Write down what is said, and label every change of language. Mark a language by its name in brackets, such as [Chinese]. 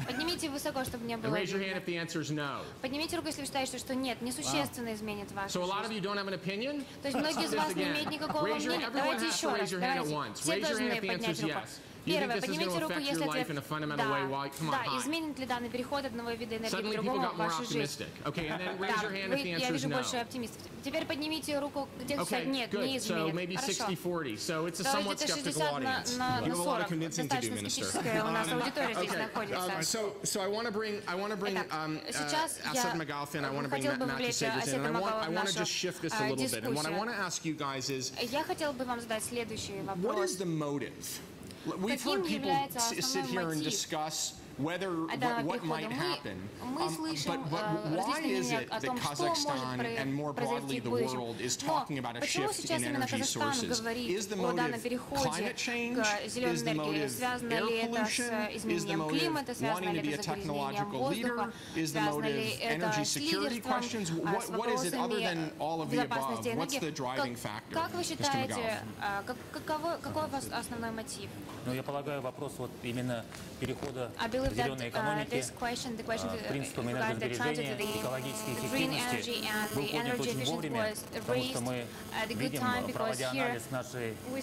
[English] Raise your hand if the answer is no. So a lot of you don't have an opinion? Everyone has to raise your hand at once. Raise your hand if the answer is yes. You think this is going to affect your life in a fundamental way? Why? Come on, hi. Suddenly people got more optimistic. Okay, and then raise your hand if the answer is no. [Russian] Теперь поднимите руку, где все нет, не изменит. [English] So maybe 60-40. So it's a somewhat skeptical audience. You have a lot of convincing to do, Minister. So I want to bring Asad Magalf in. I want to bring Matthew Sagers in. I want to just shift this a little bit. And what I want to ask you guys is, what is the motive? We've heard people sit here and discuss whether what might happen, but why is it that Kazakhstan and more broadly the world is talking about a shift in energy sources? Is the motive climate change? Is the motive air pollution? Is the motive wanting to be a technological leader? Is the motive energy security questions? What is it other than all of the above? What's the driving factor, Mr. McGough? [Russian] Ну, я полагаю, вопрос вот именно перехода к зеленой экономике, принципам энергосбережения, экологической эффективности был поднят очень вовремя, потому что мы видим, проводя анализ нашей